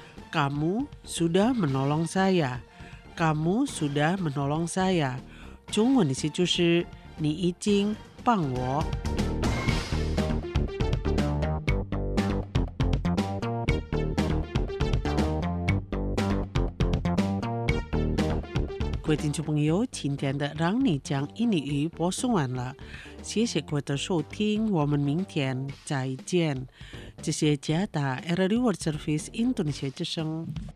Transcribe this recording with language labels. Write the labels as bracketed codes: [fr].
[id] Kamu sudah menolong saya. Kamu sudah menolong saya. [zh] 中文意思就是你已经帮我。各位听众朋友，今天的让你讲印尼语播送完了，谢谢各位的收听，我们明天再见。这是佳达 RRI World Service Indonesia 之声。